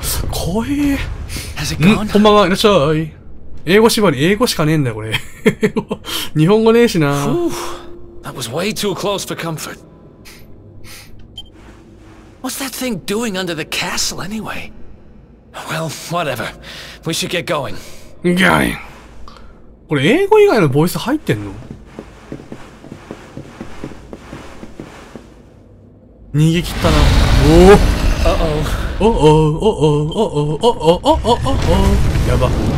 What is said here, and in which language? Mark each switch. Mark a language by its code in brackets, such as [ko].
[ja] こい。ん、こんばんは、いらっしゃい。英語縛り、英語しかねえんだよ、これ。日本語ねえしな。 [en] That was way too close for comfort. What's that thing doing under the castle anyway? Well, whatever. We should get going. Going. [ja] これ英語以外のボイス入ってんの？逃げ切ったな。おお。 [en] Uh oh. Oh oh. Oh oh. Oh oh. Oh oh. Oh oh. Oh oh. [ja] やば。